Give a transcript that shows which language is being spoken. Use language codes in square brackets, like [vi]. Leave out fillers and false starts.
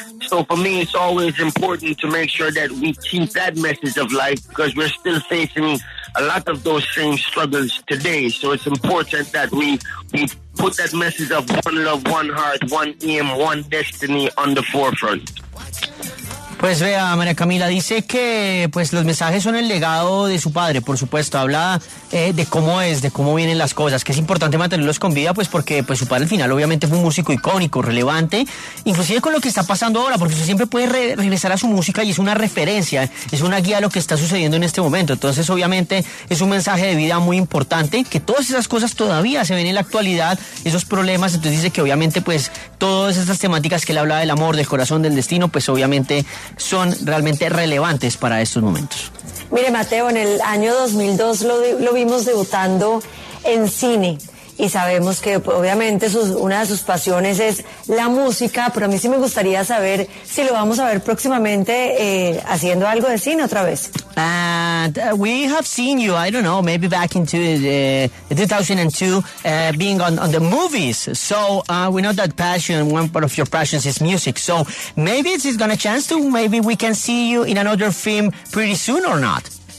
[en] So for me, it's always important to make sure that we keep that message of life, because we're still facing a lot of those same struggles today. So it's important that we put that message of one love, one heart, one aim, one destiny on the forefront. [es] Pues vea, María Camila dice que pues los mensajes son el legado de su padre, por supuesto, habla de cómo es, de cómo vienen las cosas, que es importante mantenerlos con vida, pues porque pues su padre al final obviamente fue un músico icónico, relevante, inclusive con lo que está pasando ahora, porque usted siempre puede regresar a su música y es una referencia, es una guía a lo que está sucediendo en este momento. Entonces obviamente es un mensaje de vida muy importante, que todas esas cosas todavía se ven en la actualidad, esos problemas. Entonces dice que obviamente pues todas esas temáticas que él habla del amor, del corazón, del destino, pues obviamente son realmente relevantes para estos momentos. Mire, Mateo, en el año 2002 lo vimos debutando en cine y sabemos que obviamente una de sus pasiones es la música, pero a mí sí me gustaría saber si lo vamos a ver próximamente haciendo algo de cine otra vez. [en] We have seen you, I don't know, maybe back into 2002, being on the movies. So we know that passion, one part of your passions is music. So maybe it's gonna chance to, maybe we can see you in another film pretty soon or not.